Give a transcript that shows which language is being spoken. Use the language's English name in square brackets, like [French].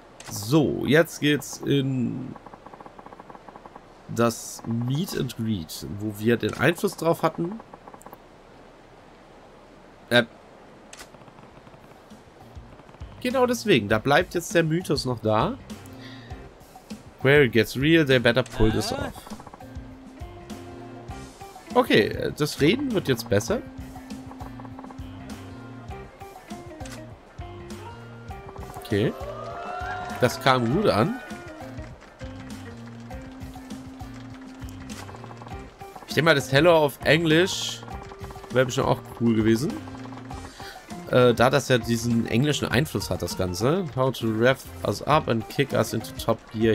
[German] So, jetzt geht's in das Meet and Greet, wo wir den Einfluss drauf hatten. Genau deswegen, da bleibt jetzt der Mythos noch da. [English] Where it gets real, they better pull this off. [German] Okay, das Reden wird jetzt besser. Okay. Das kam gut an. Ich denke mal, das Hello auf Englisch wäre bestimmt auch cool gewesen. Da das ja diesen englischen Einfluss hat, das Ganze. [English] How to rev us up and kick us into top gear.